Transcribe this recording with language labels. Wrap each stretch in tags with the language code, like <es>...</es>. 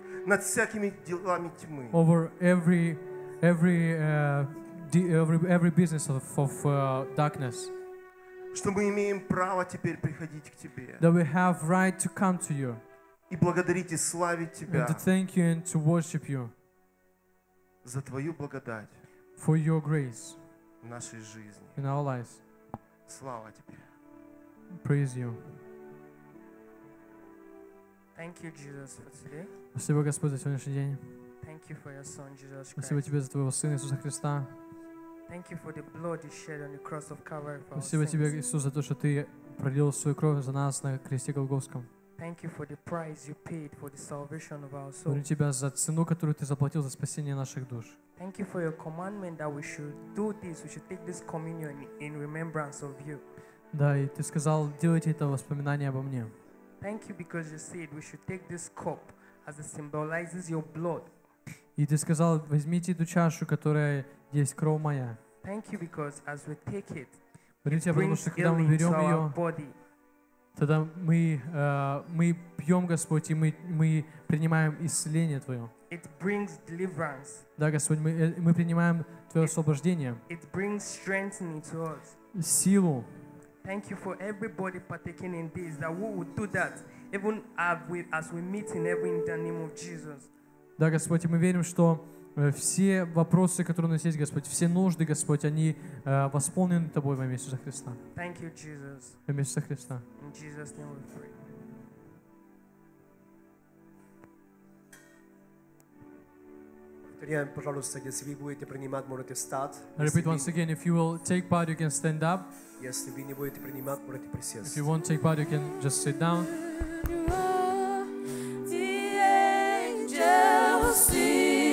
<ru>Над всякими делами тьмы.</ru> <en>Over every business of darkness.</en> <ru>Что мы имеем право теперь приходить к тебе.</ru> <en>That we have right to come to you.</en> <ru>И благодарить и славить тебя.</ru> <en>And to thank you and to worship you.</en> <ru>За твою благодать.</ru> <en>For your grace.</en> <ru>В нашей жизни.</ru> <en>In our lives.</en> <ru>Слава тебе.</ru> <en>Praise you. Thank you, Jesus, for today.</en> <ru>Спасибо, Господь, за сегодняшний день.</ru> <en>Thank you for your son, Jesus Christ.</en> <ru>Спасибо тебе за твоего сына Иисуса Христа.</ru> <en>Thank you for the blood you shed on the cross of Calvary for us.</en> <ru>Спасибо тебе, Иисус, за то, что ты пролил свою кровь за нас на кресте Голгофском.</ru> <en>Thank you for the price you paid for the salvation of our souls.</en> <ru>Благодарю тебя за цену, которую ты заплатил за спасение наших душ.</ru> <en>Thank you for your commandment that we should do this, we should take this communion in remembrance of you.</en> <ru>Да, и ты сказал, делайте это воспоминание обо мне.</ru> <en>Thank you because you said we should take this cup as it symbolizes your blood.</en> <ru>И ты сказал, возьмите эту чашу, которая есть кровь моя.</ru> <en>Thank you because as we take it, it brings healing to our body.</en> <ru>Тогда мы пьем, Господь, и мы принимаем исцеление Твое.</ru> <en>It brings deliverance.</en> <ru>Да, Господь, мы принимаем Твое освобождение.</ru> <en>It brings strengthening to us.</en> <ru>Силу.</ru> <en>Thank you for everybody partaking in this, that we would do that, even as we meet in heaven in the name of Jesus.</en> <ru>Да, Господь, мы верим, что все вопросы, которые у нас есть, Господь, все нужды, Господь, они восполнены Тобой во имя Иисуса Христа.</ru> <en>Thank you, Jesus.</en> <ru>Во имя Иисуса Христа.</ru> <en>In Jesus' name we pray.</en> <ru>Повторяем, пожалуйста, если вы будете принимать, можете встать.</ru> <en>Repeat once again, if you will take part, you can stand up.</en> <ru>Если вы не будете принимать, можете присесть.</ru> <en>If you won't take part, you can just sit down.</en>